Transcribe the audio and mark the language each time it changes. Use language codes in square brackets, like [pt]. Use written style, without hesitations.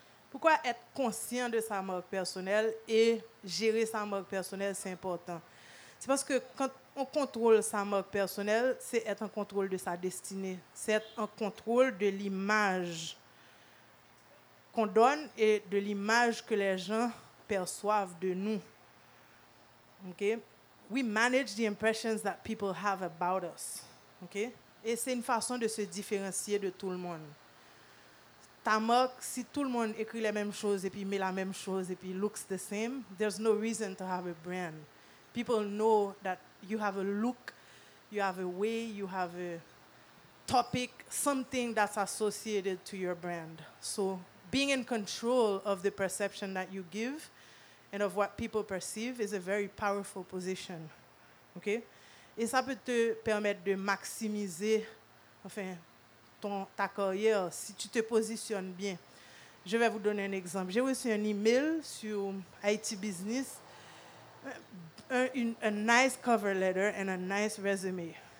[fr] Pourquoi être conscient de sa marque personnelle et gérer sa marque personnelle, c'est important? C'est parce que quand on contrôle sa marque personnelle, c'est être en contrôle de sa destinée. C'est être en contrôle de l'image qu'on donne et de l'image que les gens perçoivent de nous. OK? [en] We manage the impressions that people have about us. Okay? [fr] Et c'est une façon de se différencier de tout le monde. Ta marque, si tout le monde écrit les mêmes choses et puis met la même chose et puis [en] looks the same, there's no reason to have a brand. People know that you have a look, you have a way, you have a topic, something that's associated to your brand. So being in control of the perception that you give and of what people perceive is a very powerful position. Okay? [fr] et ça peut te permettre de maximiser enfin ton ta carrière si tu te positionnes bien. Je vais vous donner un exemple. J'ai reçu un email sur IT Business, un [en] nice cover letter and a nice resume.